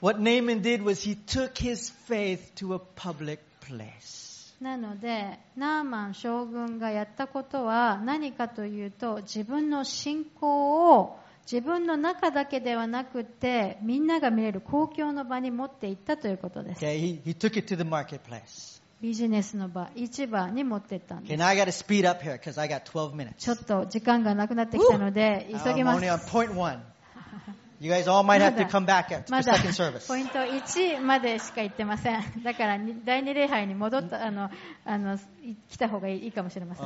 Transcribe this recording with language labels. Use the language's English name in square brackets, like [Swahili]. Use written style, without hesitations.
[English] What Naaman did was he took his faith to a public place. [Japanese] なので、ナーマン将軍がやったことは何かというと、自分の信仰を自分の中だけではなくて、みんなが見れる公共の場に持っていったということです。 [English] Okay, he took it to the marketplace. [Japanese] ビジネスの場、市場に持っていったんです。 [English] Okay, now I gotta speed up here because I got 12 minutes. [Japanese] ちょっと時間がなくなってきたので、急ぎます。 [English] I'm only on point one. You guys all might have to come back at the second service. [Japanese] ポイント1までしか行ってません。だから第2礼拝に戻った、来た方がいいかもしれません。